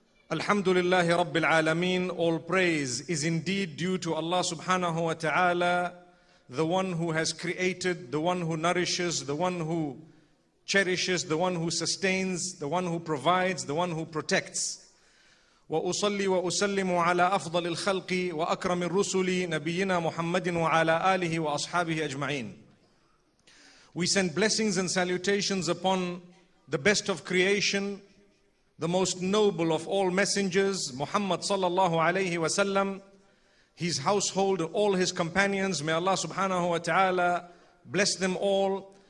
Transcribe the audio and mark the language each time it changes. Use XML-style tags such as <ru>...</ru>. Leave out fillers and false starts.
<en>Alhamdulillahi rabbil alameen, all praise is indeed due to Allah subhanahu wa ta'ala, the one who has created, the one who nourishes, the one who cherishes, the one who sustains, the one who provides, the one who protects.</en> <ar>وأصلي وأسلم على أفضل الخلق وأكرم الرسل نبينا محمد وعلى آله وأصحابه أجمعين.</ar> <en>We send blessings and salutations upon the best of creation, the most noble of all messengers, Muhammad</en> <ar>صلى الله عليه وسلم,</ar> <en>his household, all his companions. May Allah</en> <ar>سبحانه وتعالى</ar> <en>bless them all.</en>